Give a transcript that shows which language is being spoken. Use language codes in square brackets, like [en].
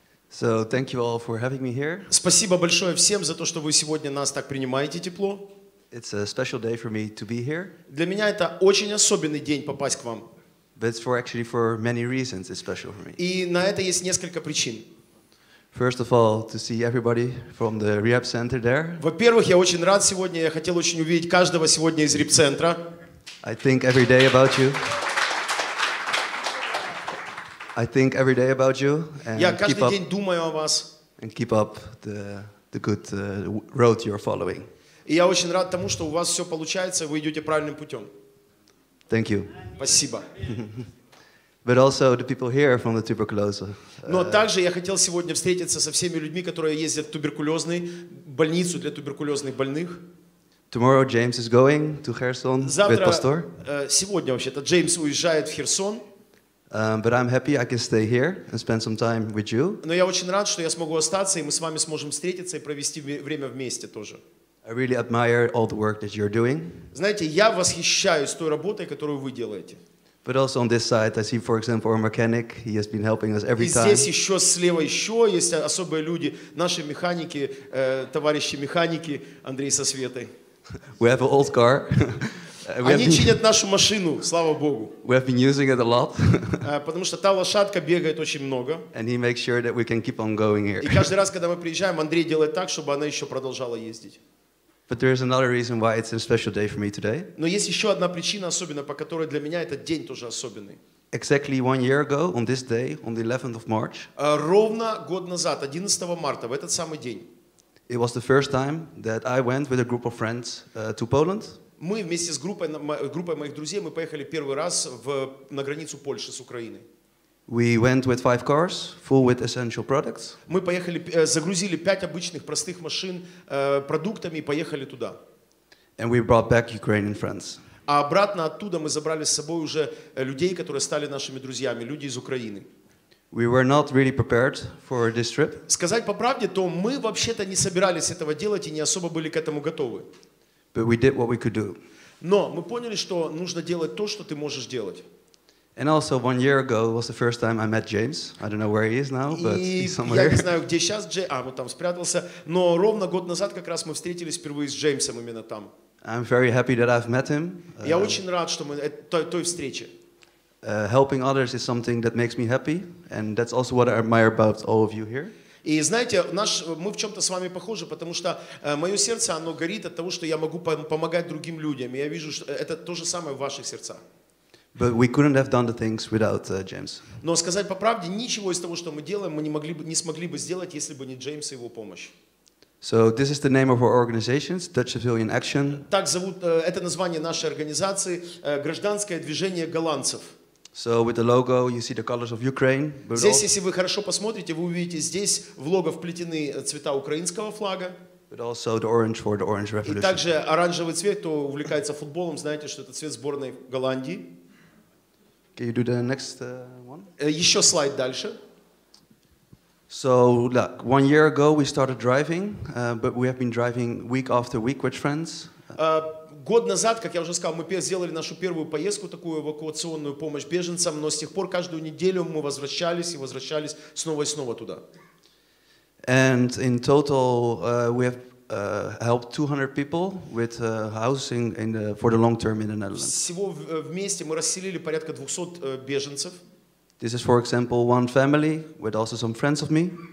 [en] So, thank you all for having me here. [ru] Спасибо большое всем за то, что вы сегодня нас так принимаете тепло. [en] It's a special day for me to be here. [ru] Для меня это очень особенный день попасть к вам. [en] But it's for actually for many reasons it's special for me. [ru] И на это есть несколько причин. [en] First of all, to see everybody from the rehab center there. [ru] Во-первых, я очень рад сегодня, я хотел очень увидеть каждого сегодня из реп-центра. [en] I think every day about you. I think every day about you and keep up. [ru] Я каждый день думаю о вас. [en] And keep up the good road you're following. [ru] И я очень рад тому, что у вас все получается, вы идете правильным путем. [en] Thank you. [ru] Спасибо. [en] But also the people here from the tuberculosis. [ru] Но также я хотел сегодня встретиться со всеми людьми, которые ездят в туберкулезную больницу для туберкулезных больных. [en] Tomorrow James is going to Kherson. [ru] Завтра, [en] with Pastor. [ru] Сегодня вообще-то Джеймс уезжает в Херсон. [en] But I'm happy I can stay here and spend some time with you. [ru] Но я очень рад, что я смогу остаться и мы с вами сможем встретиться и провести время вместе тоже. [en] I really admire all the work that you're doing. [ru] Знаете, я восхищаюсь той работой, которую вы делаете. [en] But also on this side, I see, for example, our mechanic. He has been helping us every time. [ru] И здесь еще слева еще есть особые люди, наши механики, товарищи механики Андрей со Светой. [en] We have an old car. [ru] Они чинят нашу машину, слава Богу. [en] We have been using it a lot. [ru] Потому что та лошадка бегает очень много. [en] And he makes sure that we can keep on going here. [ru] И каждый раз, когда мы приезжаем, Андрей делает так, чтобы она еще продолжала ездить. [en] But there is another reason why it's a special day for me today. [ru] Но есть еще одна причина особенная, по которой для меня этот день тоже особенный. [en] Exactly one year ago, on this day, on the 11th of March. [ru] Ровно год назад, 11 марта, в этот самый день. [en] It was the first time that I went with a group of friends to Poland. [ru] Мы вместе с группой моих друзей мы поехали первый раз на границу Польши с Украиной. [en] We went with 5 cars, full with essential products. [ru] Мы поехали, загрузили 5 обычных простых машин продуктами и поехали туда. [en] And we brought back Ukrainian friends. [ru] А обратно оттуда мы забрали с собой уже людей, которые стали нашими друзьями, люди из Украины. [en] We were not really prepared for this trip. [ru] Сказать по правде, то мы вообще-то не собирались этого делать и не особо были к этому готовы. [en] But we did what we could do. [ru] Но мы поняли, что нужно делать то, что ты можешь делать. [en] And also, one year ago was the first time I met James. I don't know where he is now, but he's somewhere. [ru] И я не знаю, где сейчас Джей. А, вот там спрятался. Но ровно год назад как раз мы встретились впервые с Джеймсом именно там. [en] I'm very happy that I've met him. [ru] Я очень рад, что мы той встрече. [en] helping others is something that makes me happy, and that's also what I admire about all of you here. [ru] И знаете, наш, мы в чем-то с вами похожи, потому что мое сердце, оно горит от того, что я могу помогать другим людям. Я вижу, что это то же самое в ваших сердцах. [en] But we couldn't have done the things without James. [ru] Но сказать по правде, ничего из того, что мы делаем, мы не смогли бы сделать, если бы не Джеймс и его помощь. [en] So this is the name of our organization, Dutch Civilian Action. [ru] Так зовут, это название нашей организации, гражданское движение голландцев. [en] So with the logo, you see the colors of Ukraine. [ru] But здесь, если вы хорошо посмотрите, вы увидите здесь в лого вплетены цвета украинского флага. [en] But also the orange for the Orange Revolution. [ru] И также оранжевый цвет, кто увлекается футболом, знаете, что это цвет сборной Голландии. [en] Can you do the next one? [ru] Еще слайд дальше. [en] So, look, one year ago we started driving, but we have been driving week after week with friends. [ru] Год назад, как я уже сказал, мы сделали нашу первую поездку, такую эвакуационную помощь беженцам, но с тех пор каждую неделю мы возвращались и возвращались снова и снова туда. [en] And in total, we have helped 200 people with housing in the, for the long term in the Netherlands. [ru] Всего вместе мы расселили порядка 200 беженцев. [en] This is, for example, one family with also some friends of me.